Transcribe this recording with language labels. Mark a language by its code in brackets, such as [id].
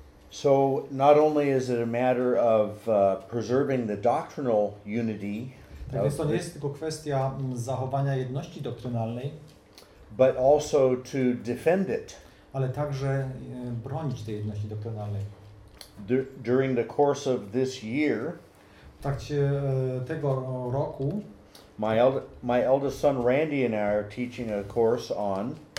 [en] So not only is it a matter of preserving the doctrinal unity. [pl] Tak więc to nie jest tylko kwestia zachowania jedności doktrynalnej, [en] but also to defend it. [pl] Ale także bronić tej jedności doktrynalnej. [en] During the course of this year, [pl] w trakcie tego roku, [en] my eldest son Randy and I are teaching a course on.